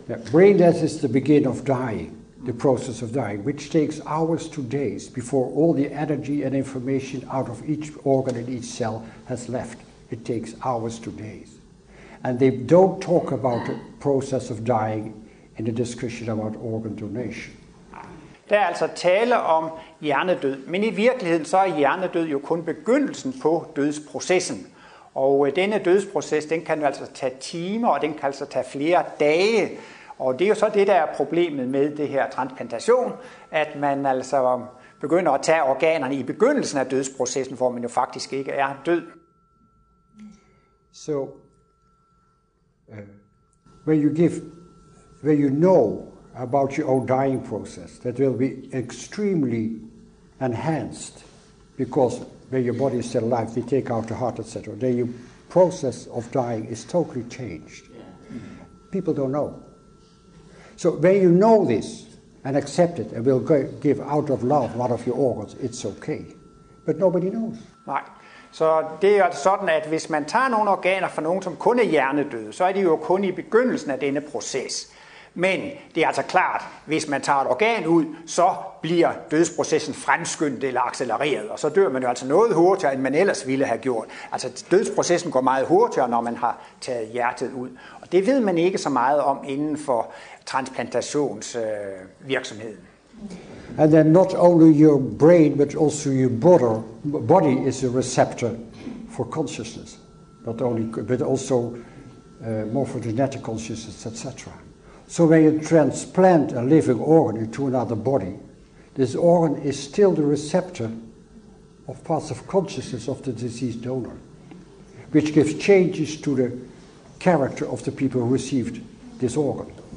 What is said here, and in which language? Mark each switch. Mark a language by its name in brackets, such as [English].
[English] Brain death is the beginning of dying, the process of dying, which takes hours to days before all the energy and information out of each organ and each cell has left. It takes hours to days. And they don't talk about the process of dying in the discussion about organ donation. [Danish] Der er altså tale om hjernedød, men i virkeligheden så er hjernedød jo kun begyndelsen på dødsprocessen. Og denne dødsproces, den kan jo altså tage timer, og den kan altså tage flere dage. Og det er jo så det, der er problemet med det her transplantation, at man altså begynder at tage organerne i begyndelsen af dødsprocessen, hvor man jo faktisk ikke er død. [English] So, when you know about your own dying process, that will be extremely enhanced, because when your body is still alive, they take out the heart, etc. Then your process of dying is totally changed. People don't know. So when you know this and accept it and will give out of love one of your organs, it's okay. But nobody knows. [Danish] Nej. Så det er sådan, at hvis man tager nogle organer fra nogen, som kun er hjernedøde, så er de jo kun i begyndelsen af denne proces. Men det er altså klart, hvis man tager et organ ud, så bliver dødsprocessen fremskyndt eller accelereret, og så dør man jo altså noget hurtigere, end man ellers ville have gjort. Altså dødsprocessen går meget hurtigere, når man har taget hjertet ud. Og det ved man ikke så meget om inden for transplantationsvirksomheden. [English] And then not only your brain, but also your body. Body is a receptor for consciousness, but also more for genetic consciousness, etc. So when you transplant a living organ into another body, this organ is still the receptor of parts of consciousness of the deceased donor, which gives changes to the character of the people who received this organ.